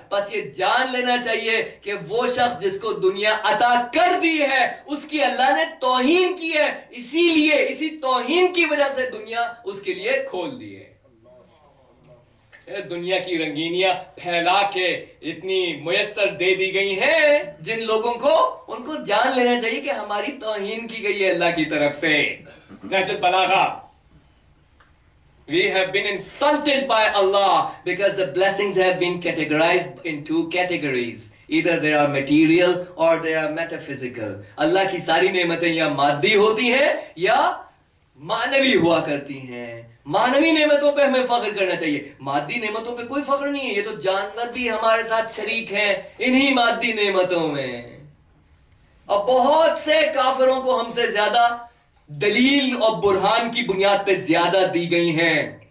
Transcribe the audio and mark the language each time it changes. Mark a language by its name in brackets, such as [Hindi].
[Urdu] بس یہ جان لینا چاہیے کہ وہ شخص جس کو دنیا عطا کر دی ہے اس کی اللہ نے توہین کی ہے, اسی لیے اسی توہین کی وجہ سے دنیا اس کے لیے کھول دی ہے. دنیا کی رنگینیاں پھیلا کے اتنی میسر دے دی گئی ہیں جن لوگوں کو, ان کو جان لینا چاہیے کہ ہماری توہین کی گئی ہے اللہ کی طرف سے. [English] نجد بلاغا, we have been insulted by Allah because the blessings have been categorized in two categories. Either they are material or they are metaphysical. [Urdu] Allah کی ساری نعمتیں یا مادی ہوتی ہیں یا معنوی ہوا کرتی ہیں. مانوی نعمتوں پہ ہمیں فخر کرنا چاہیے, مادی نعمتوں پہ کوئی فخر نہیں ہے. یہ تو جانور بھی ہمارے ساتھ شریک ہیں انہی مادی نعمتوں میں. اور بہت سے کافروں کو ہم سے زیادہ دلیل اور برہان کی بنیاد پہ زیادہ دی گئی ہیں.